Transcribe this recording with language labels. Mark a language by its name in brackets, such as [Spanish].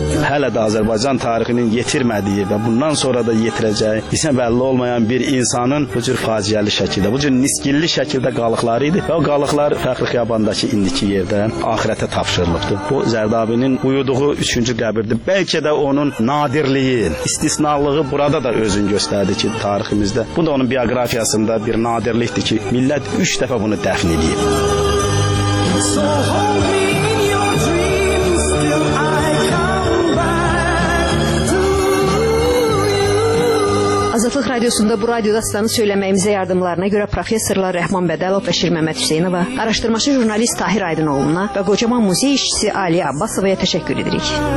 [Azerbaijani] Hələ də Azərbaycan tarixinin yetirmədiyi və bundan sonra da yetirəcəyi isə bəlli olmayan bir insanın bu cür faciəli şəkildə, bu cür niskilli şəkildə qalıqları idi və o qalıqlar Fəxri Xiyabandakı indiki yerdə axirətə tapşırılıbdır. Bu Zərdabinin uyuduğu üçüncü qəbirdir. Bəlkə də onun nadirliyi, istisnalığı burada da özünü göstərdi ki, tariximizdə bu da onun bioqrafiyasında bir nadirlikdir ki, millət üç dəfə bunu dəfn edib. [English] So hold me in your dreams till I come back to you. [Azerbaijani] Azadlıq Radiosunda bu radioda sizə söyləməyimizə yardımlarına görə professorlar Rəhman Bədəlov və Şir Məmməd Hüseynova, araşdırmaçı jurnalist Tahir Aydınoğluna və qocaman muzey işçisi Ali Abbasovaya təşəkkür edirik.